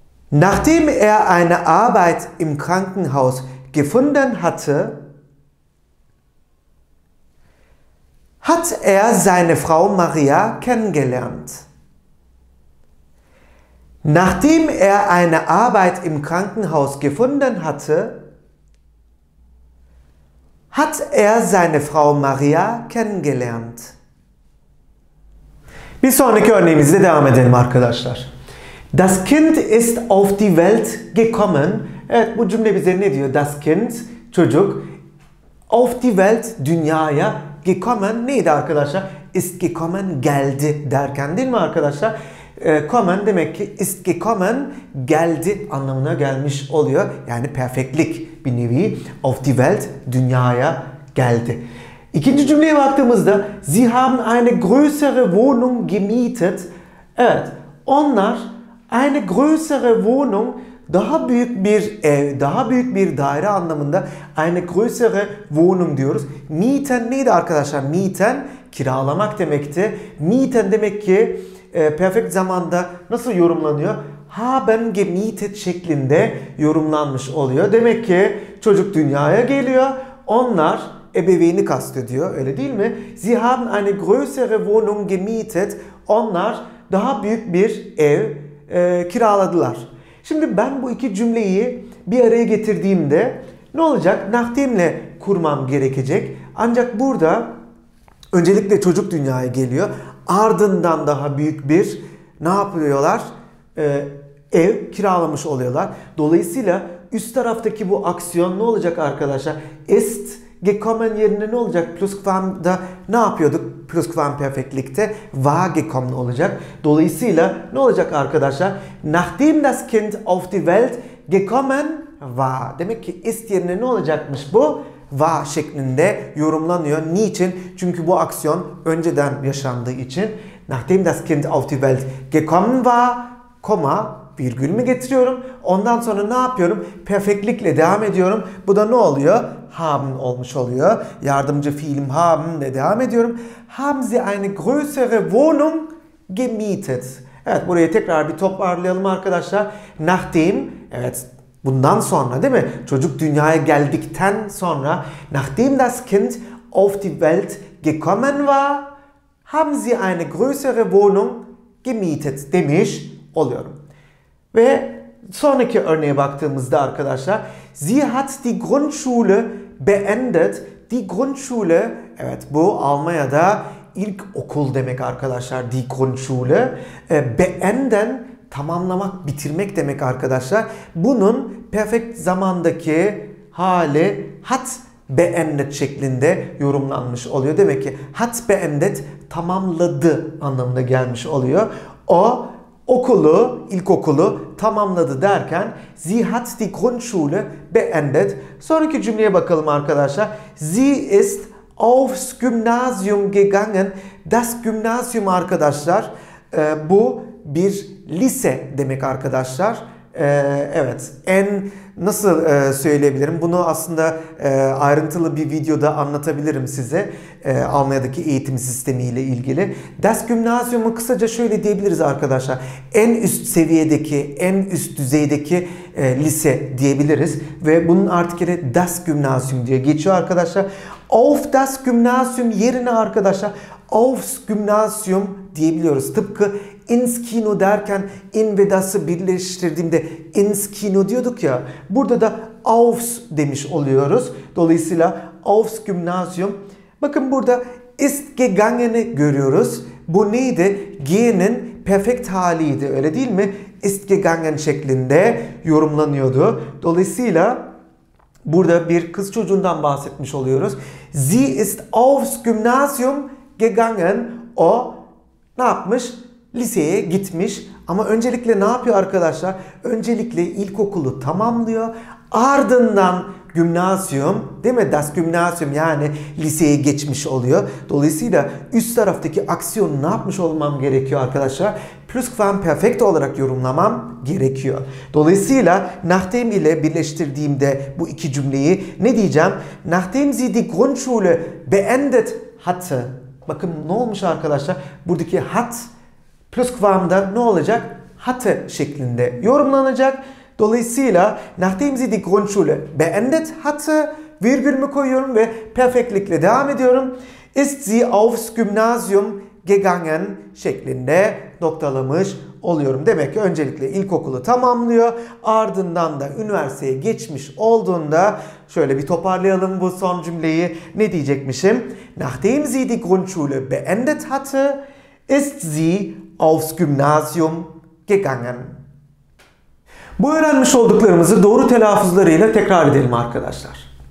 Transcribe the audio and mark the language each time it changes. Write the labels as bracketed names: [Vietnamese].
[German] Nachdem eine Arbeit im Krankenhaus gefunden hatte, hat seine Frau Maria kennengelernt. Nachdem eine Arbeit im Krankenhaus gefunden hatte, hat seine Frau Maria kennengelernt. [Turkish] Bir sonraki örneğimizle devam edelim arkadaşlar. [German] Das Kind ist auf die Welt gekommen. [Turkish] Evet, bu cümle bize ne diyor? Das Kind, çocuk, [German] auf die Welt, [Turkish] dünyaya [German] gekommen [Turkish] neydi arkadaşlar? [German] Ist gekommen, [Turkish] geldi derken değil mi arkadaşlar? Kommen demek ki [German] ist gekommen, [Turkish] geldi anlamına gelmiş oluyor. Yani perfektlik bir nevi. [German] Auf die Welt, [Turkish] dünyaya geldi. İkinci cümleye baktığımızda [German] Sie haben eine größere Wohnung gemietet. [Turkish] Evet, onlar [German] eine größere Wohnung, [Turkish] daha büyük bir ev, daha büyük bir daire anlamında eine größere Wohnung diyoruz. Mieten neydi arkadaşlar? Mieten kiralamak demekti. Mieten demek ki perfect zamanda nasıl yorumlanıyor? [German] Haben gemietet [Turkish] şeklinde yorumlanmış oluyor. Demek ki çocuk dünyaya geliyor. Onlar ebeveyni kastediyor, öyle değil mi? [German] Sie haben eine größere Wohnung gemietet. [Turkish] Onlar daha büyük bir ev kiraladılar. Şimdi ben bu iki cümleyi bir araya getirdiğimde ne olacak? Nachdem'le kurmam gerekecek. Ancak burada öncelikle çocuk dünyaya geliyor. Ardından daha büyük bir ne yapıyorlar? Ev kiralamış oluyorlar. Dolayısıyla üst taraftaki bu aksiyon ne olacak arkadaşlar? [German] Ist gekommen [Turkish] yerine ne olacak? Plusquam'da ne yapıyorduk? Plusquamperfektlikte [German] war gekommen [Turkish] olacak. Dolayısıyla ne olacak arkadaşlar? [German] Nachdem das Kind auf die Welt gekommen war. [Turkish] Demek ki ist yerine ne olacakmış bu? War şeklinde yorumlanıyor. Niçin? Çünkü bu aksiyon önceden yaşandığı için. [German] Nachdem das Kind auf die Welt gekommen war, [Turkish] virgül mü getiriyorum? Ondan sonra ne yapıyorum? Perfektlikle devam ediyorum. Bu da ne oluyor? Haben olmuş oluyor. Yardımcı fiilim haben'le devam ediyorum. [German] Haben Sie eine größere Wohnung gemietet? [Turkish] Evet, burayı tekrar bir toparlayalım arkadaşlar. Nachdem, evet, bundan sonra değil mi? Çocuk dünyaya geldikten sonra. [German] Nachdem das Kind auf die Welt gekommen war, haben Sie eine größere Wohnung gemietet [Turkish] demiş oluyorum. Ve sonraki örneğe baktığımızda arkadaşlar, [German] Sie hat die Grundschule beendet. [Turkish] Die Grundschule, evet, bu Almanya'da ilk okul demek arkadaşlar. Die Grundschule, beenden, tamamlamak, bitirmek demek arkadaşlar. Bunun perfekt zamandaki hali [German] hat beendet [Turkish] şeklinde yorumlanmış oluyor. Demek ki [German] hat beendet, [Turkish] tamamladı anlamına gelmiş oluyor. O okulu, ilkokulu tamamladı derken [German] sie hat die Grundschule beendet. [Turkish] Sonraki cümleye bakalım arkadaşlar. [German] Sie ist aufs Gymnasium gegangen. [Turkish] Das Gymnasium arkadaşlar, bu bir lise demek arkadaşlar. Evet, en nasıl söyleyebilirim? Bunu aslında ayrıntılı bir videoda anlatabilirim size. Almanya'daki eğitim sistemiyle ilgili. Das Gymnasium'u kısaca şöyle diyebiliriz arkadaşlar. En üst seviyedeki, en üst düzeydeki lise diyebiliriz. Ve bunun artikeli Das Gymnasium diye geçiyor arkadaşlar. [German] Auf das Gymnasium [Turkish] yerine arkadaşlar [German] aufs Gymnasium [Turkish] diyebiliyoruz. Tıpkı [German] ins Kino [Turkish] derken in ve das'ı birleştirdiğimde ins Kino diyorduk ya. Burada da aufs demiş oluyoruz. Dolayısıyla [German] aufs Gymnasium. [Turkish] Bakın burada [German] ist gegangen'i [Turkish] görüyoruz. Bu neydi? G'nin perfekt haliydi, öyle değil mi? [German] Ist gegangen [Turkish] şeklinde yorumlanıyordu. Dolayısıyla burada bir kız çocuğundan bahsetmiş oluyoruz. [German] Sie ist aufs Gymnasium gegangen. [Turkish] O ne yapmış? Liseye gitmiş. Ama öncelikle ne yapıyor arkadaşlar? Öncelikle ilkokulu tamamlıyor. Ardından gymnasium, değil mi? Das Gymnasium, yani liseye geçmiş oluyor. Dolayısıyla üst taraftaki aksiyonu ne yapmış olmam gerekiyor arkadaşlar? Plusquamperfekt olarak yorumlamam gerekiyor. Dolayısıyla nachdem ile birleştirdiğimde bu iki cümleyi ne diyeceğim? [German] Nachdem sie die Grundschule beendet hatte. [Turkish] Bakın ne olmuş arkadaşlar? Buradaki hat plusquamda ne olacak? Hatte şeklinde yorumlanacak. Dolayısıyla [German] nachdem sie die Grundschule beendet hatte, [Turkish] virgül mü koyuyorum ve perfektlikle devam ediyorum. [German] Ist sie aufs Gymnasium gegangen [Turkish] şeklinde noktalamış oluyorum. Demek ki öncelikle ilkokulu tamamlıyor. Ardından da üniversiteye geçmiş olduğunda, şöyle bir toparlayalım bu son cümleyi. Ne diyecekmişim? [German] Nachdem sie die Grundschule beendet hatte, ist sie aufs Gymnasium gegangen. [Turkish] Bu öğrenmiş olduklarımızı doğru telaffuzlarıyla tekrar edelim arkadaşlar.